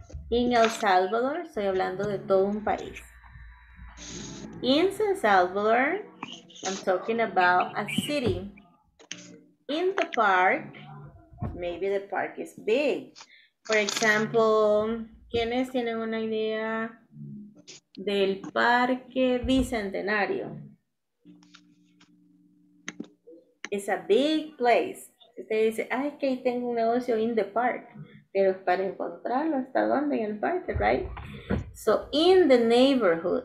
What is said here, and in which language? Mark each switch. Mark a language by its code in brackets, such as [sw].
[en] In El Salvador, [es] estoy hablando de todo un país. [en] In San Salvador, I'm talking about a city. In the park, maybe the park is big. For example, [es] ¿quiénes tienen una idea del parque Bicentenario? [en] It's a big place. [es] Usted dice, ay, que ahí tengo un negocio [en] in the park. [es] Pero es para encontrarlo, ¿hasta dónde? En el parque, [en] right? So, in the neighborhood.